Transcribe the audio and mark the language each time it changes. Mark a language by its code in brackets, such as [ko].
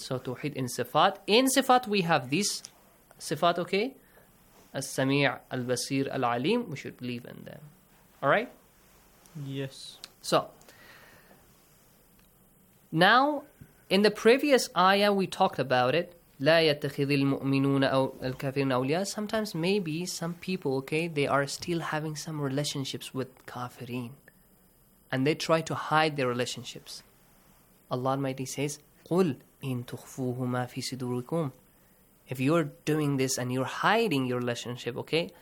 [en] So tawheed in sifat. In sifat, we have this sifat, okay? As-sami' al-basir al-alim. We should believe in them. All right? Yes. So, now, in the previous ayah, we talked about it. [ar] لا يتخذ المؤمنون أو الكافرين أولياء. [en] Sometimes, maybe, some people, okay, they are still having some relationships with kafirin. And they try to hide their relationships. Allah Almighty says, [ar] قُلْ إِن تُخْفُوهُ مَا فِي صُدُورِكُمْ [en] If you're doing this and you're hiding your relationship, okay?